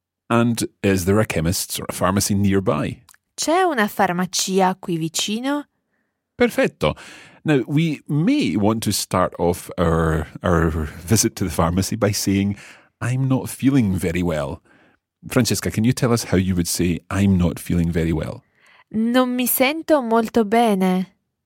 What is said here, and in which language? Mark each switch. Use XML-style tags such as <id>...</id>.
<en>And is there a chemist's or a pharmacy nearby?</en> <it>C'è una farmacia qui vicino. Perfetto.</it> <en>Now, we may want to start off our visit to the pharmacy by saying, I'm not feeling very well. Francesca, can you tell us how you would say, I'm not feeling very well?</en> <it>Non mi sento molto bene.</it>